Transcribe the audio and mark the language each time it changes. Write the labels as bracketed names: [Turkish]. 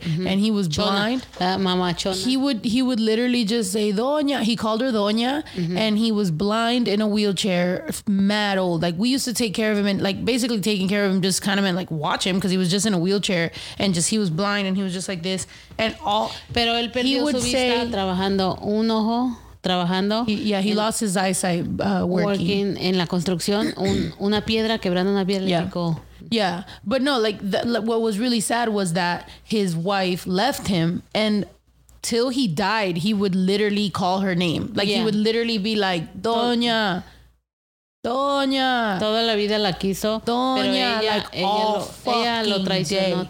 [English] Mm-hmm. And he was blind. Mama Chona. He would literally just say, Doña. He called her Doña. Mm-hmm. And he was blind in a wheelchair, mad old. Like, we used to take care of him. And, like, basically taking care of him just kind of meant, like, watch him because he was just in a wheelchair. And just, he was blind and he was just like this. And all... [Spanish] Pero él perdió su vista trabajando un ojo, trabajando. [English] He lost his eyesight working. [Spanish] En la construcción, una piedra, quebrando una piedra. [English] Yeah. Yeah, but no, like, what was really sad was that his wife left him, and till he died, he would literally call her name. Like, yeah. He would literally be like, Doña, Doña. [Spanish] Toda la vida la quiso. Doña, ella lo traicionó